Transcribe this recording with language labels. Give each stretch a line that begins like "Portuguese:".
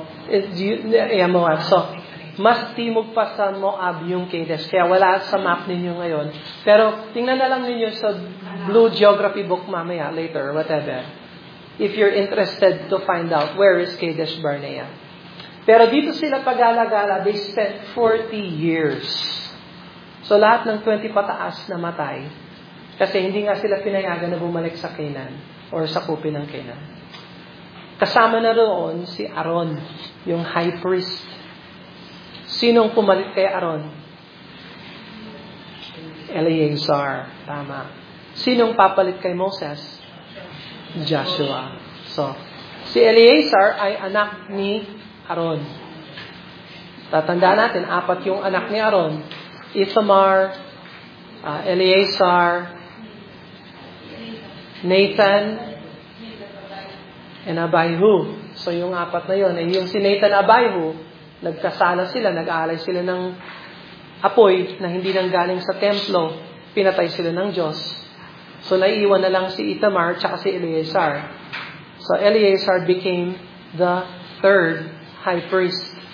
Filipino: Yeah, Moab. So, mas timog pa sa Moab yung Kadesh. Kaya wala sa map ninyo ngayon. Pero, tingnan na lang ninyo sa Blue Geography book mamaya,
English: later, whatever. If you're interested to find out where is Kadesh Barnea.
Filipino: Pero dito sila pag-alagala,
English: they spent 40 years.
Filipino: So, lahat ng 20 pataas na matay kasi hindi nga sila pinayagan na bumalik sa Canaan or sa kupin ng Canaan. Kasama na doon si Aaron, yung high priest. Sinong pumalik kay Aaron? Eleazar. Tama. Sinong papalit kay Moses? Joshua. So, si Eleazar ay anak ni Aaron. Tatanda natin, apat yung anak ni Aaron. Ithamar, Eleazar, Nathan, and Abihu. So yung apat na yun, yung si Nathan and Abihu, nagkasala sila, nag-aalay sila ng apoy na hindi nang galing sa templo, pinatay sila ng Diyos. So naiiwan na lang si Ithamar tsaka si Eleazar.
English: So Eleazar became the third high priest.